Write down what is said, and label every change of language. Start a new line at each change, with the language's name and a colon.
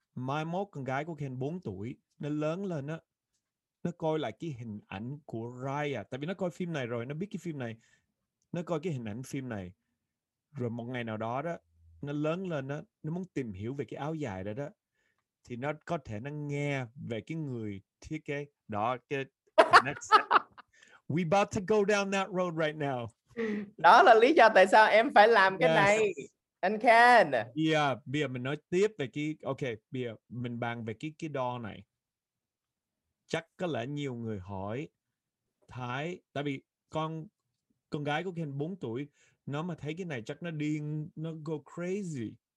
Vietnamese: Mai mốt con gái của Ken 4 tuổi, nó lớn lên á, nó coi lại cái hình ảnh của Raya, tại vì nó coi phim này rồi, nó biết cái phim này, nó coi cái hình ảnh phim này, rồi một ngày nào đó đó, nó lớn lên á, nó muốn tìm hiểu về cái áo dài đó đó, thì nó có thể nó nghe về cái người thiết kế đó, cái next.
English: We about to go down that road right now.
Vietnamese: Đó là lý do tại sao em phải làm cái này. Anh Ken. Yeah, bây giờ mình nói tiếp về cái, ok, bây giờ mình bàn về cái đo này. Chắc có lẽ nhiều người hỏi Thái, tại vì con gái của Ken 4 tuổi, nó mà thấy cái này chắc nó điên, nó
English: go crazy.